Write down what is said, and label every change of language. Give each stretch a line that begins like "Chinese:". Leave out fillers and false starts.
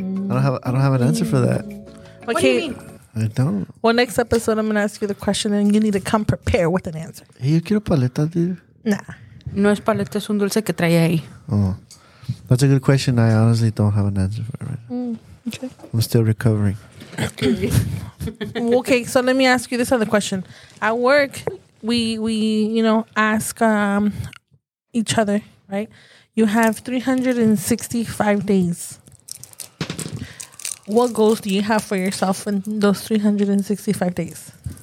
English: I don't have an answer for that. Okay. What do you mean? I don't. Well, next episode, I'm going to ask you the question, and you need to come prepare with an answer.
Spanish: Hey, yo quiero paleta,
English: dude. Nah.
Spanish: No es paleta, es un dulce que trae ahí.
English: Oh. That's a good question. I honestly don't have an answer for it right now. Okay. I'm still recovering. Okay, so let me ask you this other question. At work, we you know, ask each other, right? You have 365 days. What goals do you have for yourself in those 365 days?